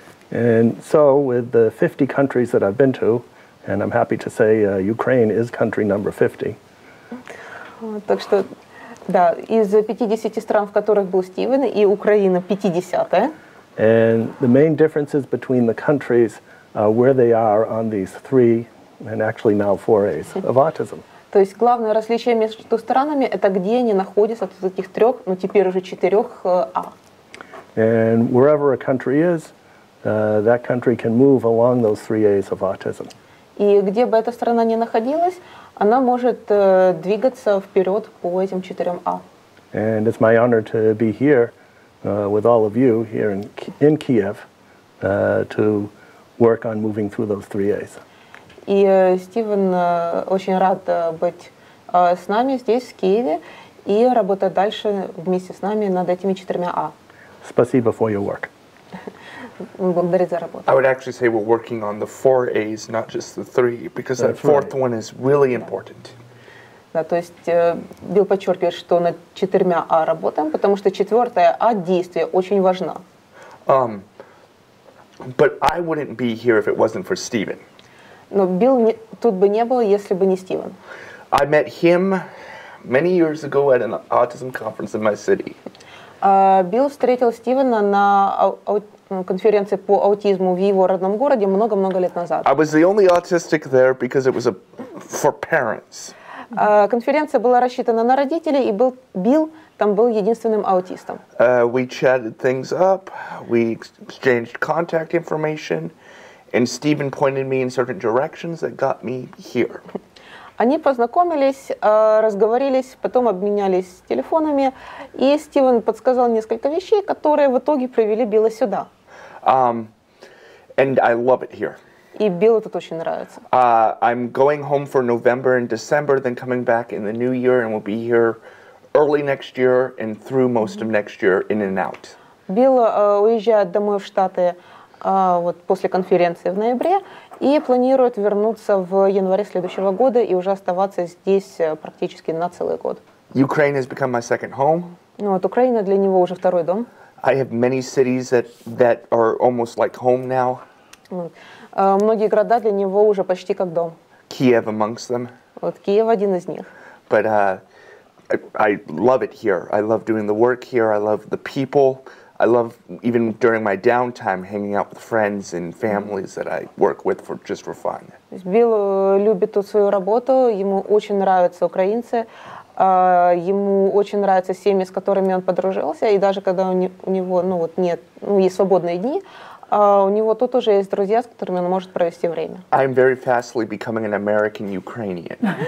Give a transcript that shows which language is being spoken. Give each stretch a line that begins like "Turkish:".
English: And so with the 50 countries that I've been to, and I'm happy to say Ukraine is country number 50.
Russian: Так что, да, из 50 стран, в которых был Стивен, и Украина 50-я.
English: And the main differences between the countries are where they are on these three, and actually now four A's, of autism.
Russian: То есть главное различие между странами – это где они находятся от этих трех, ну теперь уже четырех А.
English: And wherever a country is, that country can move along those three A's of autism.
Russian: И где бы эта страна ни находилась, она может двигаться вперед по этим четырем А.
English: And it's my honor to be here with all of you here in Kiev to work on moving through those three A's.
Russian: И Стивен очень рад быть с нами здесь, в Киеве, и работать дальше вместе с нами над этими четырьмя А. Спасибо
English: for your work.
Russian: Благодарю за работу.
English: I would actually say we're working on the four A's, not just the three, because that fourth one is really important.
Russian: Да, то есть Билл подчеркивает, что над четырьмя А работаем, потому что четвертая А – действие, очень важна.
English: But I wouldn't be here if it wasn't for Стивен.
Russian: Но Билл тут бы не было, если бы не Стивен.
English: I met him many years ago at an autism conference in my city.
Russian: Билл встретил Стивена на конференции по аутизму в его родном городе много-много лет назад.
English: I was the only autistic there because it was for parents.
Russian: Конференция была рассчитана на родителей, и Билл там был единственным аутистом.
English: We chatted things up, we exchanged contact information. And Stephen pointed me in certain directions that got me here.
Russian: Они познакомились, разговорились, потом обменялись телефонами, и Стивен подсказал несколько вещей, которые в итоге привели Билла сюда.
English: And I love it here.
Russian: И Биллу тут очень нравится.
English: I'm going home for November and December, then coming back in the new year, and we'll be here early next year and through most of next year, in and out.
Russian: Билл уезжает домой в Штаты. Вот после конференции в ноябре и планирует вернуться в январе следующего года и уже оставаться здесь практически на целый год.
English: Ukraine has become my second home.
Russian: Ну, вот Украина для него уже второй дом.
English: I have many cities that are almost like home now.
Russian: Многие города для него уже почти как дом.
English: Kiev amongst them.
Russian: Вот Киев один из них.
English: But I love it here. I love doing the work here. I love the people. I love, even during my downtime, hanging out with friends and families that I work with for just for fun.
Russian: Билл любит тут свою работу, ему очень нравятся украинцы, ему очень нравятся семьи, с которыми он подружился, и даже когда у него, ну вот, нет, ну, есть свободные дни, у него тут уже есть друзья, с которыми он может провести время.
English: I'm very fastly becoming an American-Ukrainian.